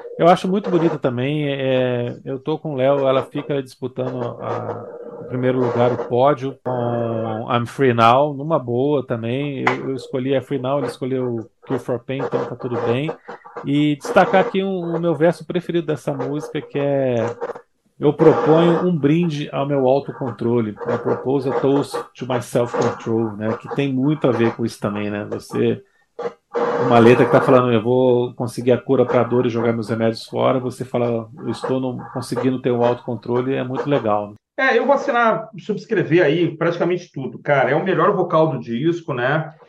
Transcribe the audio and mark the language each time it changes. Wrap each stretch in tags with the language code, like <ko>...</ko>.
<pt>Eu acho muito bonito também. Eu tô com o Léo, ela fica disputando o primeiro lugar, o pódio, com I'm Free Now, numa boa também. Eu escolhi a Free Now, ele escolheu Kill for Pain, então tá tudo bem. E destacar aqui o meu verso preferido dessa música, que é: eu proponho um brinde ao meu autocontrole.</pt> <en>I propose a toast to my self-control, né?</en> <pt>Que tem muito a ver com isso também, né? Você. Uma letra que está falando, eu vou conseguir a cura para a dor e jogar meus remédios fora. Você fala, eu estou não conseguindo ter um autocontrole, é muito legal. Né? Eu vou assinar, subscrever aí praticamente tudo. Cara, é o melhor vocal do disco, né?</pt>